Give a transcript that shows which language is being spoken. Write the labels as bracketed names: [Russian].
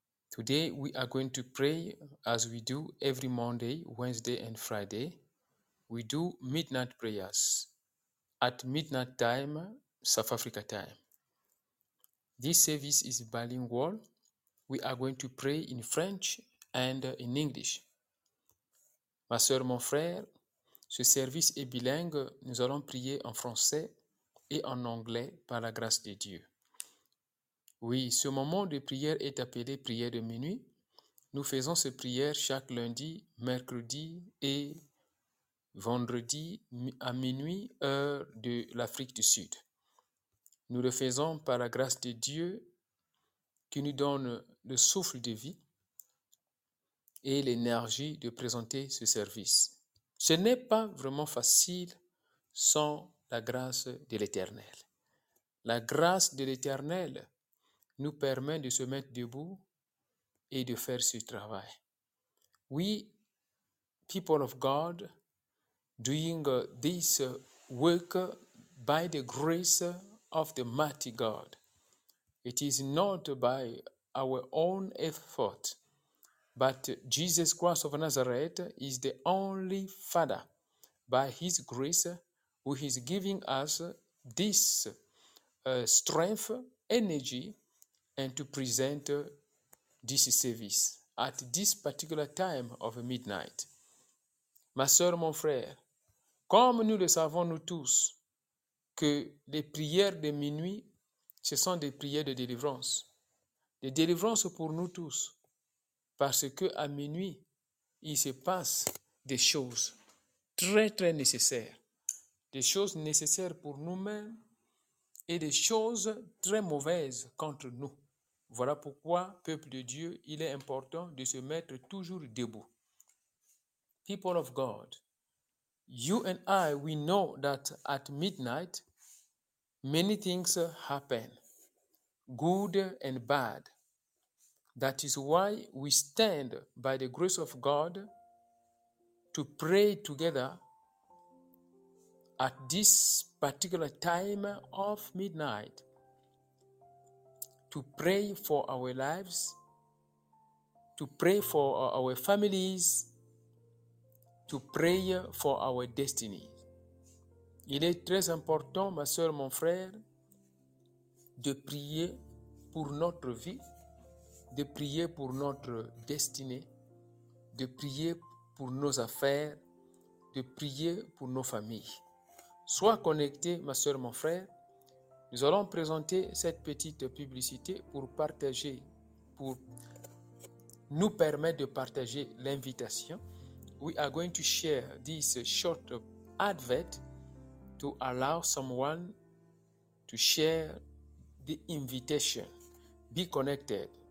[English] Today we are going to pray as we do every Monday, Wednesday and Friday. We do midnight prayers at midnight time, South Africa time. This service is bilingual. We are going to pray in French and in English. [French] Ma sœur, mon frère, ce service est bilingue. Nous allons prier en français et en anglais par la grâce de Dieu. Oui, ce moment de prière est appelé prière de minuit. Nous faisons ces prières chaque lundi, mercredi et vendredi à minuit, heure de l'Afrique du Sud. Nous le faisons par la grâce de Dieu qui nous donne le souffle de vie et l'énergie de présenter ce service. Ce n'est pas vraiment facile sans la grâce de l'Éternel. La grâce de l'Éternel nous permet de se mettre debout et de faire ce travail. [English] We, people of God, doing this work by the grace of the mighty God. It is not by our own effort. But Jesus Christ of Nazareth is the only Father by His grace who is giving us this strength, energy, and to present this service at this particular time of midnight. [French] Ma sœur, mon frère, comme nous le savons nous tous, que les prières de minuit, ce sont des prières de délivrance. Des délivrances pour nous tous. Parce qu'à minuit, il se passe des choses très, très nécessaires. Des choses nécessaires pour nous-mêmes et des choses très mauvaises contre nous. Voilà pourquoi, peuple de Dieu, il est important de se mettre toujours debout. [English] People of God, you and I, we know that at midnight, many things happen, good and bad. That is why we stand by the grace of God to pray together at this particular time of midnight to pray for our lives, to pray for our families, to pray for our destiny. [French] Il est très important, ma soeur, mon frère, de prier pour notre vie, de prier pour notre destinée, de prier pour nos affaires, de prier pour nos familles. Sois connecté, ma sœur, mon frère. Nous allons présenter cette petite publicité pour partager, pour nous permettre de partager l'invitation. [English] We are going to share this short advert to allow someone to share the invitation. Be connected.